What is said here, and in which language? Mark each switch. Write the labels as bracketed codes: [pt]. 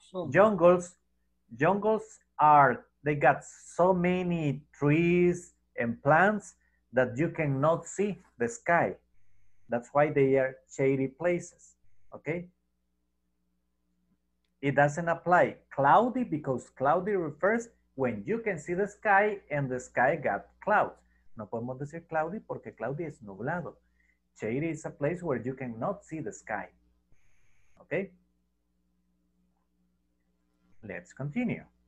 [en] Jungles are, they got so many trees and plants that you cannot see the sky. That's why they are shady places. Okay? It doesn't apply cloudy, because cloudy refers when you can see the sky and the sky got clouds. [es] No podemos decir cloudy porque cloudy es nublado. [en] Shady is a place where you cannot see the sky. Okay? Let's continue.